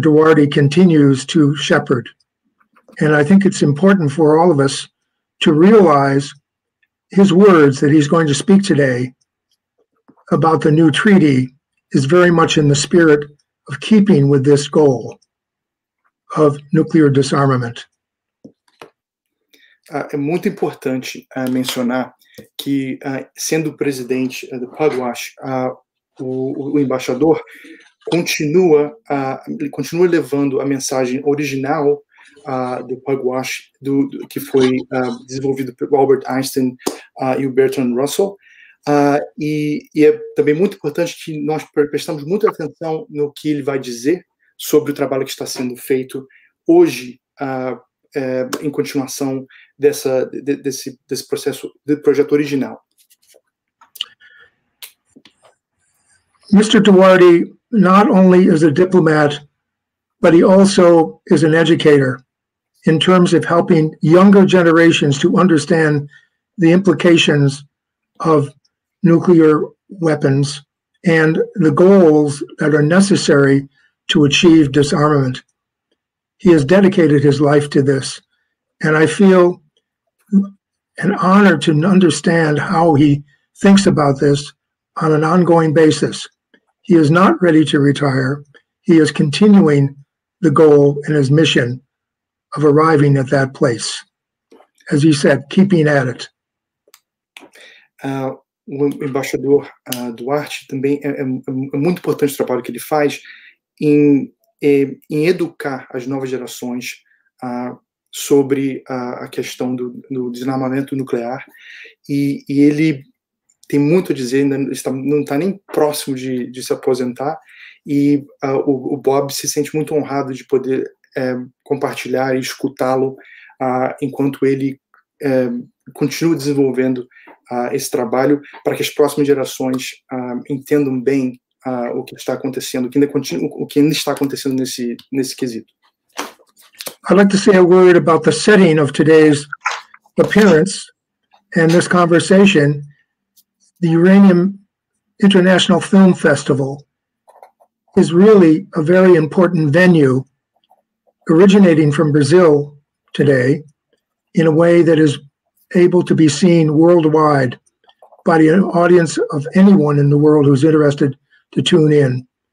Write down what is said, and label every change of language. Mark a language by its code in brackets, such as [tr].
[en] Duarte continues to shepherd. And I think it's important for all of us to realize his words that he's going to speak today about the new treaty is very much in the spirit of keeping with this goal of nuclear disarmament. [pt] É muito importante mencionar que, sendo presidente do Pugwash, o embaixador continua levando a mensagem original do Pugwash, que foi desenvolvido pelo Albert Einstein e o Bertrand Russell. E é também muito importante que nós prestamos muita atenção no que ele vai dizer sobre o trabalho que está sendo feito hoje, em continuação desse processo, do projeto original. [en] Mr. Duarte not only is a diplomat, but he also is an educator in terms of helping younger generations to understand the implications of nuclear weapons and the goals that are necessary to achieve disarmament. He has dedicated his life to this, and I feel an honor to understand how he thinks about this on an ongoing basis. He is not ready to retire. He is continuing the goal and his mission of arriving at that place. As he said, keeping at it. [pt] O embaixador Duarte também é muito importante o trabalho que ele faz em educar as novas gerações sobre a questão do desarmamento nuclear. E ele tem muito a dizer, não está nem próximo de se aposentar. E o Bob se sente muito honrado de poder compartilhar e escutá-lo enquanto ele continua desenvolvendo esse trabalho, para que as próximas gerações entendam bem o que está acontecendo, o que ainda está acontecendo nesse quesito. [en] I'd like to say a word about the setting of today's appearance and this conversation, the Uranium International Film Festival is really a very important venue originating from Brazil today in a way that is able to be seen worldwide by an audience of anyone in the world who's interested to tune in.